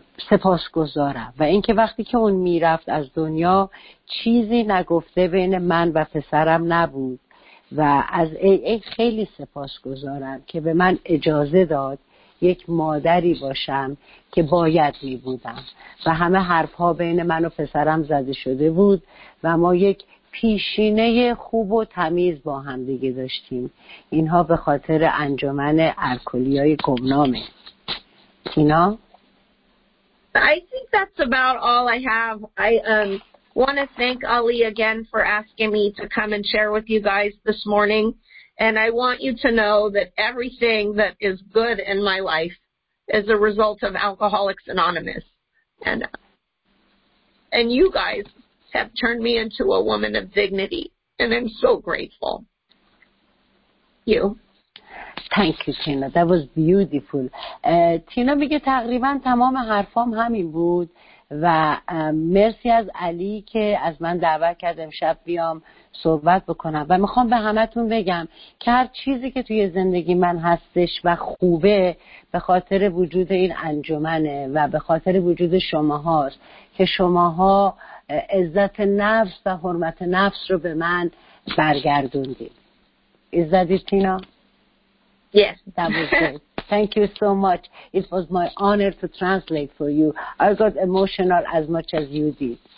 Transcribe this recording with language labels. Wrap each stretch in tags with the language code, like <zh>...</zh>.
<fa>سپاسگزارم و اینکه وقتی که اون میرفت از دنیا چیزی نگفته بین من و پسرم نبود و از AA خیلی سپاسگزارم که به من اجازه داد یک مادری باشم که باید می بودم و همه حرف ها بین من و پسرم زده شده بود و ما یک پیشینه خوب و تمیز با هم دیگه داشتیم. اینها به خاطر انجمن الکلیای گمنامه. تینا،</fa> <en>I think that's about all I have. I want to thank Ali again for asking me to come and share with you guys this morning. And I want you to know that everything that is good in my life is a result of Alcoholics Anonymous. And you guys have turned me into a woman of dignity. And I'm so grateful. You. Thank you, Tina. That was beautiful.</en> <fa>تینا میگه تقریبا تمام حرفام همین بود و مرسی از علی که از من دعوت کرد امشب بیام صحبت بکنم و میخوام به همتون بگم که هر چیزی که توی زندگی من هستش و خوبه به خاطر وجود این انجمنه و به خاطر وجود شما هاست که شما ها عزت نفس و حرمت نفس رو به من برگردوندید. عزتی تینا؟</fa> <en>Yes. That was good. Thank you so much. It was my honor to translate for you. I got emotional as much as you did.</en>